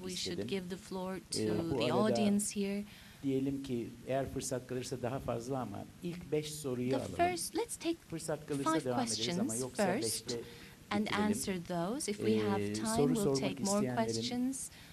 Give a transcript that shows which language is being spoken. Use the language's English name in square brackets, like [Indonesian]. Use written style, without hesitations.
[English] We should give the floor to the audience here. [Turkish] Diyelim ki eğer fırsat kalırsa daha fazla ama ilk 5 soruyu alalım. [English] The first, let's take 5 questions first and answer those. If we have time, we'll take more questions.